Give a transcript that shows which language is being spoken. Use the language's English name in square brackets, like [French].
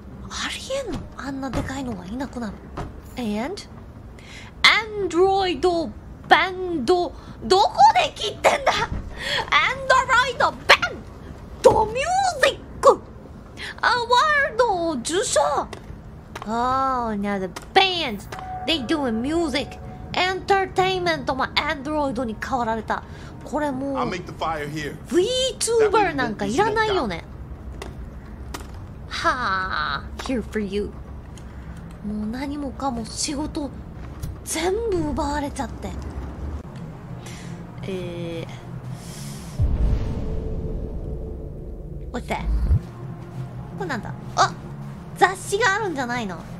[Japanese] ありえんの？あんなでかいのがいなくなる。 [English] And? [Japanese] アンドロイドバンド、どこで切ってんだ？アンドロイドバンド、ドミュージックアワード受賞。 [English] Oh, now the bands, they doing music. [Japanese] Entertainment もアンドロイドに変わられた。これもう VTuber なんかいらないよね。 [English] はぁ、here for you. [Japanese] もう何もかも仕事全部奪われちゃって。 [English] What's that? [Japanese] これなんだ？あ、雑誌があるんじゃないの？